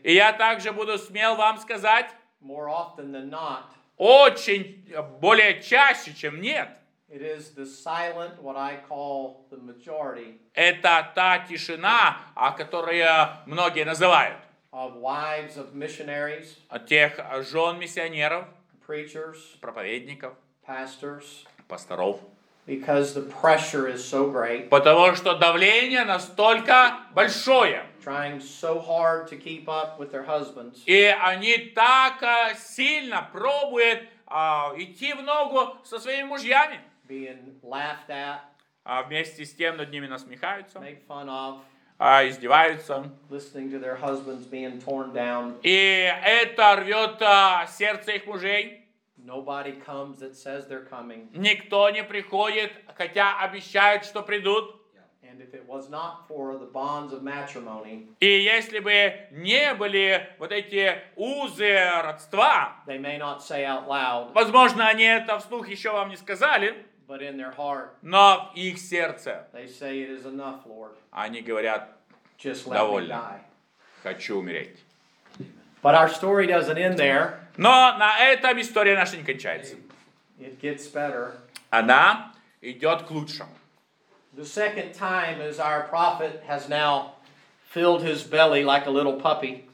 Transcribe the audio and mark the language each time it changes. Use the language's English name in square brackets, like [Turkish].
[Russian] и я также буду смел вам сказать, [English] more often than not, [Russian] очень, более чаще, чем нет, [English] it is the silent, what I call the majority. [Russian] Это та тишина, о которой многие называют. [English] Of wives of missionaries. [Russian] Тех жен миссионеров. [English] Preachers. [Russian] Проповедников. [English] Pastors. [Russian] Пасторов. [English] Because the pressure is so great. [Russian] Потому что давление настолько большое. [English] Trying so hard to keep up with their husbands. [Russian] И они так сильно пробуют идти в ногу со своими мужьями. [English] Being laughed at, [Russian] а вместе с тем над ними насмехаются, [English] make fun of, [Russian] издеваются, [English] listening to their husbands being torn down, [Russian] и это рвет сердце их мужей. [English] Nobody comes that says they're coming. [Russian] Никто не приходит, хотя обещают, что придут. [English] And if it was not for the bonds of matrimony, [Russian] и если бы не были вот эти узы родства, [English] they may not say out loud, [Russian] возможно, они это вслух еще вам не сказали, [English] but in their heart, [Russian] но в их сердце, [English] they say it is enough, Lord. [Russian] Они говорят, [English] just [Russian] довольно, [English] let me die. [Russian] Хочу умереть. [English] But our story doesn't end there. [Russian] Но на этом история наша не кончается. [English] It gets better. [Russian] Она идет к лучшему. [English] The second time is our prophet has now filled his belly like a little puppy.